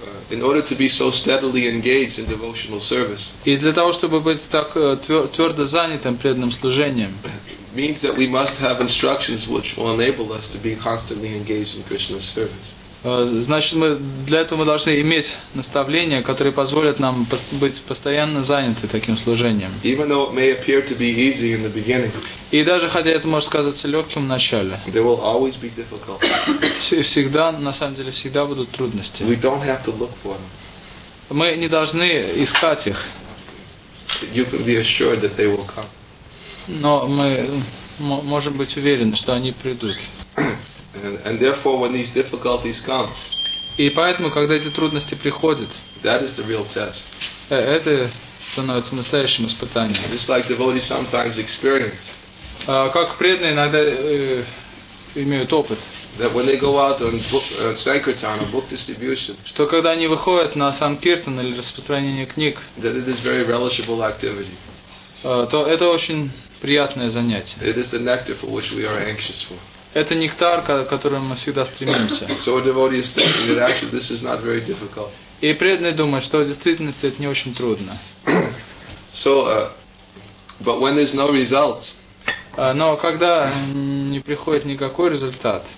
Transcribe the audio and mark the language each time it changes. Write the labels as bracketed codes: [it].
[en] In order to be so steadily engaged in devotional service, [ru] и для того, чтобы быть так твердо занятым преданным служением, [en] means that we must have instructions which will enable us to be constantly engaged in Krishna's service. [ru] Значит, мы для этого должны иметь наставления, которые позволят нам быть постоянно заняты таким служением. [en] Even though it may appear to be easy in the beginning, [ru] и даже хотя это может казаться легким в начале, [en] there will always be difficulties. [ru] Всегда, на самом деле, всегда будут трудности. [en] We don't have to look for them. [ru] Мы не должны искать их. [en] You can be assured that they will come. [ru] Но мы можем быть уверены, что они придут. [en] And therefore, when these difficulties come, [ru] и поэтому, когда эти трудности приходят, [en] that is the real test. [ru] Это становится настоящим испытанием. [en] Just like devotees sometimes experience. [ru] Как преданные иногда имеют опыт. [en] That when they go out on sankirtan, on book distribution. [ru] Что когда они выходят на санкиртан или распространение книг. [en] That it is very relishable activity. [ru] То это очень приятное занятие. [en] It is the nectar for which we are anxious for. [ru] Это нектар, к которому мы всегда стремимся. [en] So a devotee is thinking that actually this is not very difficult. [ru] И преданный думает, что в действительности это не очень трудно. [en] So, but when there's no results. [ru] Но когда не приходит никакой результат.